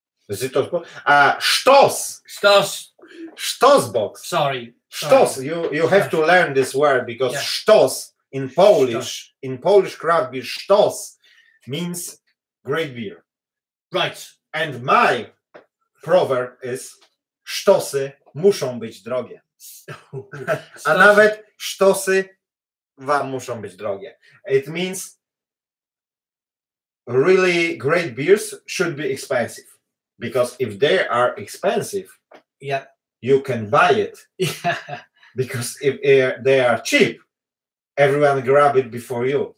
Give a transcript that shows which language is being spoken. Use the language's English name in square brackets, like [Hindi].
[English] Zetos box? Stos box. Sorry. Stos. You have to learn this word because Stos in Polish, in Polish craft beer, Stos means great beer. Right. And my proverb is [Polish] Stosy muszą być drogie. A nawet Stosy wam muszą być drogie. [English] It means really great beers should be expensive, because if they are expensive, you can buy it. Because if they are cheap, everyone grab it before you.